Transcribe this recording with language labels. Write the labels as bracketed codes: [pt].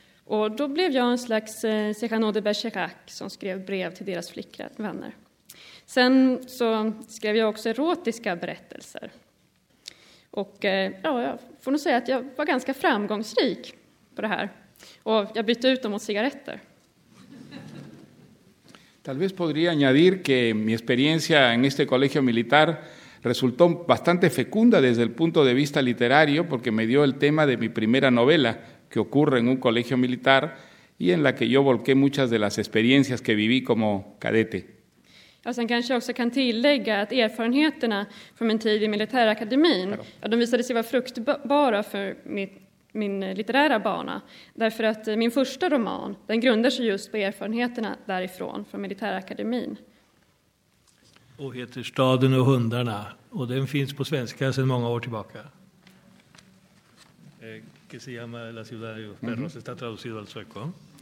[sv] Och då blev jag en slags Cyrano de Bergerac som skrev brev till deras flickvänner. Sen så skrev jag också erotiska berättelser. Och ja, jag får nog säga att jag var ganska framgångsrik på det här. Och jag bytte ut dem mot cigaretter. [es] Tal vez podría añadir que mi experiencia en este colegio militar resultó bastante fecunda desde el punto de vista literario, porque me dio el tema de mi primera novela, que ocurre en un colegio militar y en la que yo volqué muchas de las experiencias que viví como cadete. [sv] Ja, sen kanske jag också kan tillägga att erfarenheterna från min tid i militärakademin, ja, de visade sig vara fruktbara för min litterära bana. Därför att min första roman, den grundar sig just på erfarenheterna därifrån, från militärakademin. Och heter Staden och hundarna. Och den finns på svenska sedan många år tillbaka. [es] Que se llama La ciudad de los perros, está traducido al sueco.